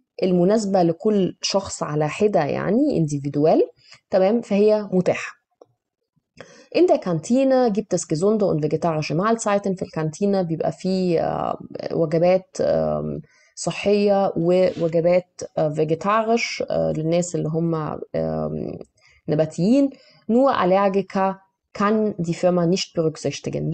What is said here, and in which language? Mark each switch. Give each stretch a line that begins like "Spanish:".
Arabic: المناسبة لكل شخص على حدة يعني individual، تمام، فهي متاحة.
German: In der Kantine gibt es gesunde und vegetarische Mahlzeiten.
Arabic: في الكانتينا بيبقى فيه وجبات صحية ووجبات vegetarisch للناس اللي هم نباتيين.
German: Nur Allergiker kann die Firma nicht berücksichtigen.